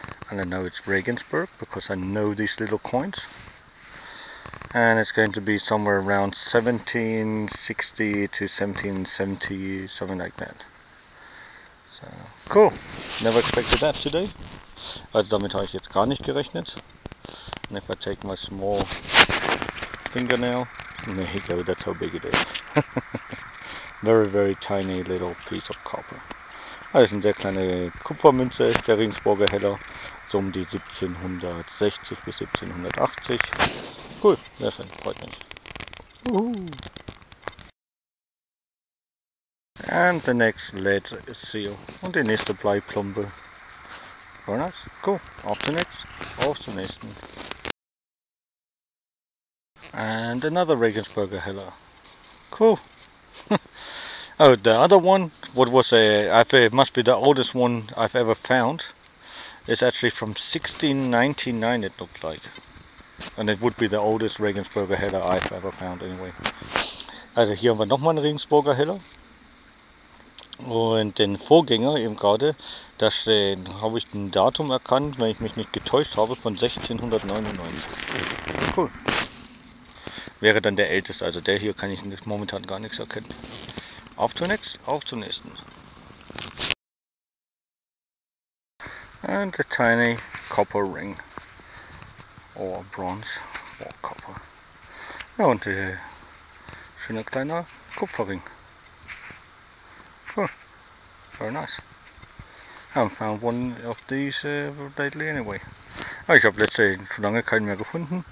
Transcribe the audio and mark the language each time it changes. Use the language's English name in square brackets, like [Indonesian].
[English] And I know it's Regensburg because I know these little coins. And it's going to be somewhere around 1760 to 1770, something like that. So, cool, never expected that today. [German] Also damit habe ich jetzt gar nicht gerechnet. [English] And if I take my small fingernail, there you go, that's how big it is. Very, very tiny little piece of copper. [German] Also ist eine sehr kleine Kupfermünze, der Regensburger Heller. So um die 1760 bis 1780. Cool, sehr schön, freut mich. [English] And the next lead seal. [German] Und die nächste Bleiplombe. [English] Very nice, cool. [German] Auf zum nächsten, auf zum nächsten. [English] And another Regensburger Heller. Cool. Oh, the other one, what was it must be the oldest one I've ever found. It's actually from 1699, it looked like. And it would be the oldest Regensburger Heller I've ever found, anyway. [German] Also, hier haben wir nochmal einen Regensburger Heller. Und den Vorgänger eben gerade, da habe ich ein Datum erkannt, wenn ich mich nicht getäuscht habe, von 1699. Cool. Wäre dann der älteste, also der hier kann ich momentan gar nichts erkennen. Auf zum nächsten, auf zum nächsten. [English] And a tiny copper ring. Or bronze, or copper. [German] Ja, und ein schöner kleiner Kupferring. [English] Cool, very nice. I haven't found one of these lately anyway. [German] Ja, ich habe letztes Jahr schon lange keinen mehr gefunden.